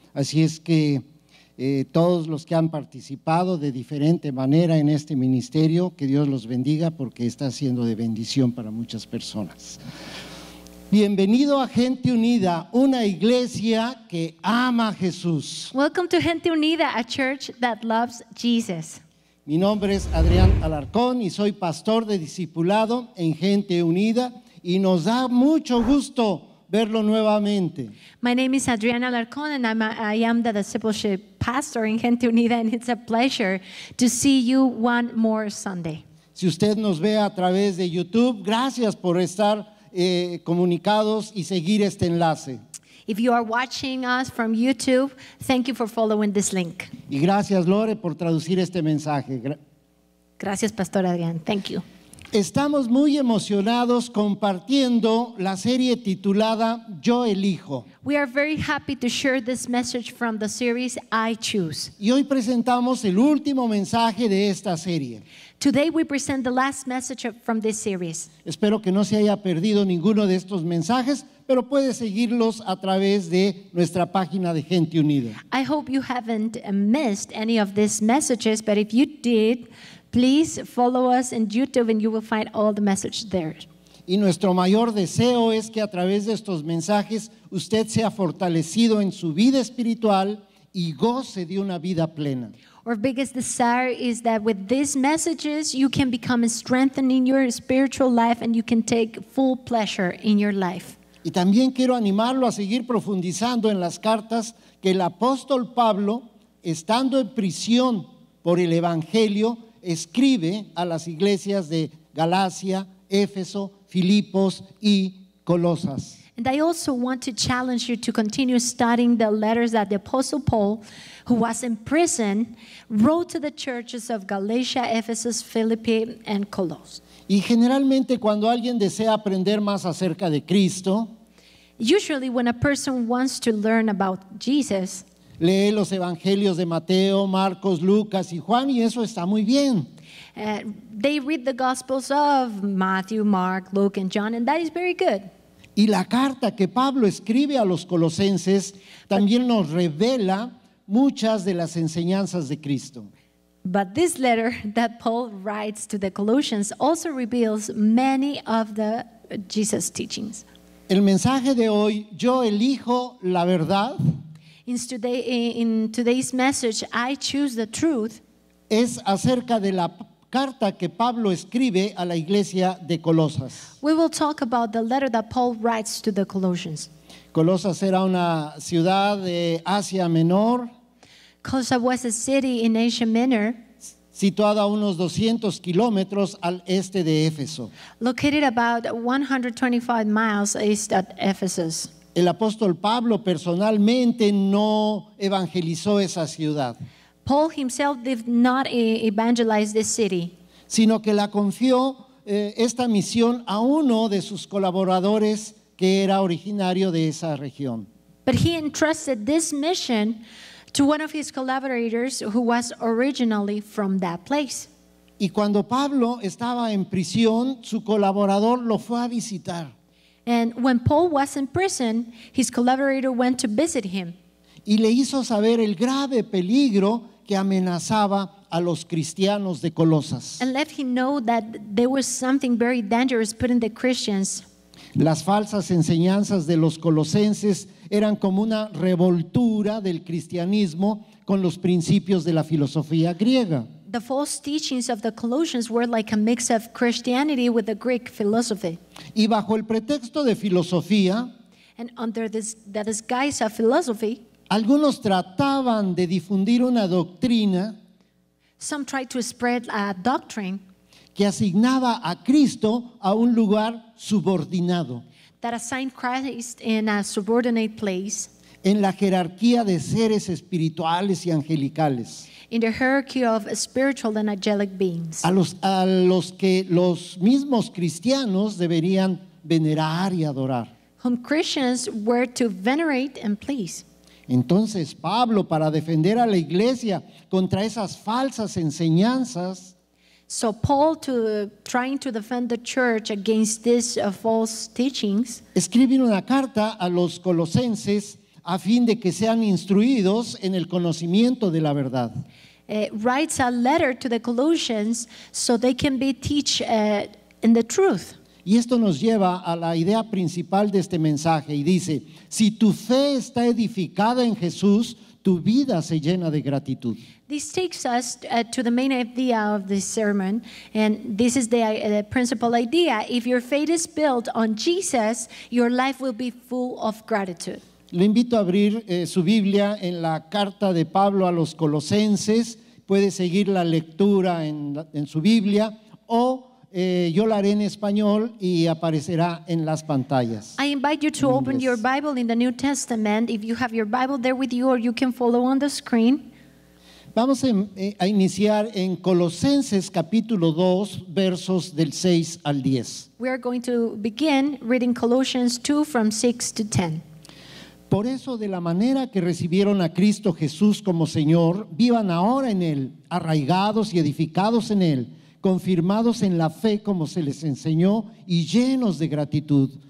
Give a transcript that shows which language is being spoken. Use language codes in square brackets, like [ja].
[es] Así es que todos los que han participado de diferente manera en este ministerio, que Dios los bendiga porque está siendo de bendición para muchas personas. Bienvenido a Gente Unida, una iglesia que ama a Jesús. [en] Welcome to Gente Unida, a church that loves Jesus. [es] Mi nombre es Adrián Alarcón y soy pastor de discipulado en Gente Unida y nos da mucho gusto verlo nuevamente. [en] My name is Adrián Alarcón and I am the discipleship pastor in Gente Unida and it's a pleasure to see you one more Sunday. [es] Si usted nos ve a través de YouTube, gracias por estar comunicados y seguir este enlace. [en] If you are watching us from YouTube, thank you for following this link. [es] Y gracias, Lore, por traducir este mensaje. Gracias, Pastor Adrián. [en] Thank you. [es] Estamos muy emocionados compartiendo la serie titulada Yo Elijo. [en] We are very happy to share this message from the series I Choose. [es] Y hoy presentamos el último mensaje de esta serie. [en] Today we present the last message from this series. [es] Espero que no se haya perdido ninguno de estos mensajes, pero puede seguirlos a través de nuestra página de Gente Unida. [en] I hope you haven't missed any of these messages, but if you did, please follow us in YouTube and you will find all the messages there. [es] Y nuestro mayor deseo es que a través de estos mensajes usted sea fortalecido en su vida espiritual y goce de una vida plena. [en] Our biggest desire is that with these messages you can become strengthened in your spiritual life and you can take full pleasure in your life. [es] Y también quiero animarlo a seguir profundizando en las cartas que el apóstol Pablo, estando en prisión por el Evangelio, escribe a las iglesias de Galacia, Éfeso, Filipos y Colosas. [en] And I also want to challenge you to continue studying the letters that the Apostle Paul, who was in prison, wrote to the churches of Galatia, Ephesus, Philippi, and Colossae. [es] Y generalmente cuando alguien desea aprender más acerca de Cristo, [en] usually when a person wants to learn about Jesus, [es] lee los evangelios de Mateo, Marcos, Lucas y Juan, y eso está muy bien. [en] They read the Gospels of Matthew, Mark, Luke, and John, and that is very good. [es] Y la carta que Pablo escribe a los colosenses también nos revela muchas de las enseñanzas de Cristo. [en] But this letter that Paul writes to the Colossians also reveals many of the Jesus teachings. [es] El mensaje de hoy, yo elijo la verdad. [en] In today's message, I choose the truth. [es] Es acerca de la carta que Pablo escribe a la iglesia de Colosas. [en] We will talk about the letter that Paul writes to the Colossians. [es] Colosas era una ciudad de Asia Menor. [en] Colossae was a city in Asia Minor. [es] Situada a unos 200 kilómetros al este de Éfeso. [en] Located about 125 miles east of Ephesus. [es] El apóstol Pablo personalmente no evangelizó esa ciudad. [en] Paul himself did not evangelize the city, [es] sino que la confió esta misión a uno de sus colaboradores que era originario de esa región. [en] But he entrusted this mission to one of his collaborators who was originally from that place. [es] Y cuando Pablo estaba en prisión, su colaborador lo fue a visitar. [en] And when Paul was in prison, his collaborator went to visit him. [es] Y le hizo saber el grave peligro que amenazaba a los cristianos de Colosas. [en] And let him know that there was something very dangerous putting the Christians. [es] Las falsas enseñanzas de los colosenses eran como una revoltura del cristianismo con los principios de la filosofía griega. [en] The false teachings of the Colossians were like a mix of Christianity with the Greek philosophy. [es] Y bajo el pretexto de filosofía, [en] and under this, the disguise of philosophy, [es] algunos trataban de difundir una doctrina. [en] Some tried to spread a doctrine [es] que asignaba a Cristo a un lugar subordinado. [en] That assigned Christ in a subordinate place [es] en la jerarquía de seres espirituales y angelicales. [en] In the hierarchy of spiritual and angelic beings. [es] A los que los mismos cristianos deberían venerar y adorar. [en] Whom Christians were to venerate and please. [es] Entonces Pablo, para defender a la iglesia contra esas falsas enseñanzas, [en] so Paul trying to defend the church against these false teachings, [es] escribe una carta a los colosenses a fin de que sean instruidos en el conocimiento de la verdad. [en] Writes a letter to the Colossians so they can be teach in the truth. [es] Y esto nos lleva a la idea principal de este mensaje y dice, si tu fe está edificada en Jesús, tu vida se llena de gratitud. [en] This takes us to the main idea of this sermon, and this is the principal idea. If your faith is built on Jesus, your life will be full of gratitude. [es] Le invito a abrir su Biblia en la carta de Pablo a los Colosenses. Puede seguir la lectura en su Biblia o yo la haré en español y aparecerá en las pantallas. [en] I invite you to open your Bible in the New Testament. If you have your Bible there with you, or you can follow on the screen. [es] Vamos a iniciar en Colosenses capítulo 2, versos del 6 al 10. [en] We are going to begin reading Colossians 2 from 6 to 10. [es] Por eso, de la manera que recibieron a Cristo Jesús como Señor, vivan ahora en Él, arraigados y edificados en Él, confirmados en la fe como se les enseñó y llenos de gratitud.